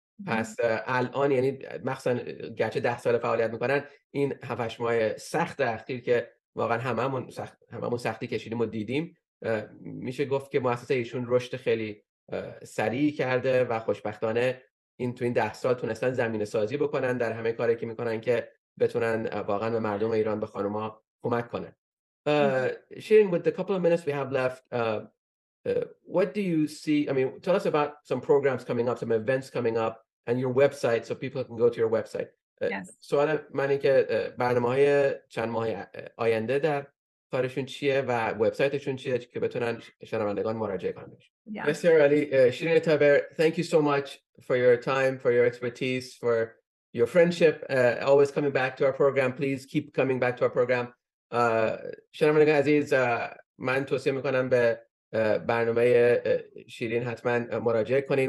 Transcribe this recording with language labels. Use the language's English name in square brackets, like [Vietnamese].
[Persian] پس الان، یعنی مخصوصا گرچه 10 سال فعالیت میکنن، این 7-8 ماه سخت اخیر که واقعا هممون سختی کشیدیم و دیدیم، میشه گفت که مؤسسه ایشون رشد خیلی سریع کرده و خوشبختانه این 10 سال تونستن زمینه سازی بکنن در همه کاری که میکنن که بتونن واقعا به مردم ایران، به خانوما کمک کنن. [English] Shirin, with the couple of minutes we have left, what do you see? I mean, tell us about some programs coming up, some events coming up, and your website so people can go to your website. Yes. [Persian] سوال من اینه که برنامه‌های چند ماه آینده در کارشون چیه و وبسایتشون چیه که بتونن شنوندگان مراجعه کنن. [English] Yeah. Mr. Ali, Shirin Taber, thank you so much for your time, for your expertise, for your friendship, always coming back to our program. Please keep coming back to our program. [Persian] شنوندگان عزیز، من توصیه میکنم به برنامه شیرین حتما مراجعه کنین.